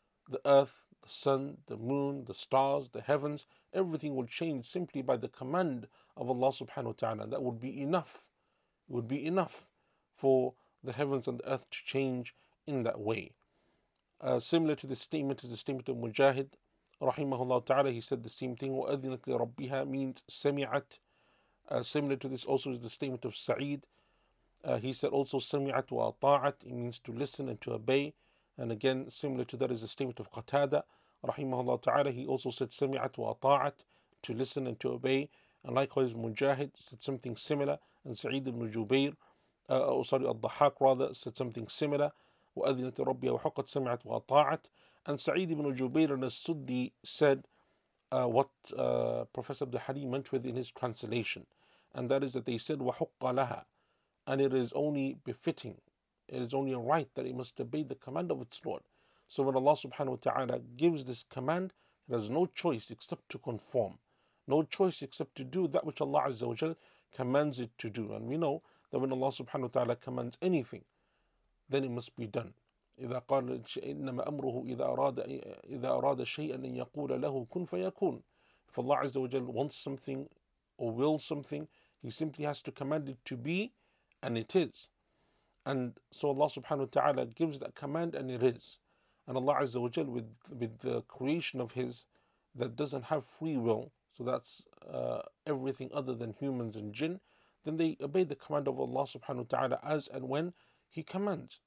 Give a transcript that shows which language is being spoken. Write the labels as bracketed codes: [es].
[en] The earth, the sun, the moon, the stars, the heavens, everything will change simply by the command of Allah subhanahu wa ta'ala. That would be enough. It would be enough for the heavens and the earth to change in that way. Similar to this statement, is the statement of Mujahid rahimahullah ta'ala. He said the same thing. [ar] وَأَذِنَتْ لِرَبِّهَا [en] means [ar] سَمِعَتْ. [en] Similar to this also is the statement of Sa'id. He said also [ar] سَمِعَتْ وَأَطَاعَتْ, [en] it means to listen and to obey. And again, similar to that is the statement of Qatada rahimahullah ta'ala. He also said [ar] سَمِعَتْ وَأَطَاعَتْ, [en] to listen and to obey. And likewise, Mujahid said something similar. And Sa'id ibn Jubayr, Al-Dhahhaq rather, said something similar. [ar] وَأَذِنَتْ رَبِّيَا وَحُقَّتْ سَمِعَتْ وَأَطَاعَتْ. [en] And Sa'id ibn Jubayr and As-Suddi said what Professor Abdul Halim meant with in his translation. And that is that they said [ar] وَحُقَّ لَهَا, [en] and it is only befitting, it is only a right that it must obey the command of its Lord. So when Allah subhanahu wa ta'ala gives this command, it has no choice except to conform. No choice except to do that which Allah Azza wa Jal commands it to do. And we know that when Allah subhanahu wa ta'ala commands anything, then it must be done. [ar] إِذَا قَالَ إِنَّمَا أَمْرُهُ إِذَا أَرَادَ شَيْئًا أَنْ يَقُولَ لَهُ كُنْ فَيَكُونَ. [en] If Allah Azza wa Jal wants something or will something, He simply has to command it to be, and it is. And so Allah subhanahu wa ta'ala gives that command and it is. And Allah Azza wa Jal with the creation of His that doesn't have free will, so that's everything other than humans and jinn, then they obey the command of Allah subhanahu wa ta'ala as and when He commands.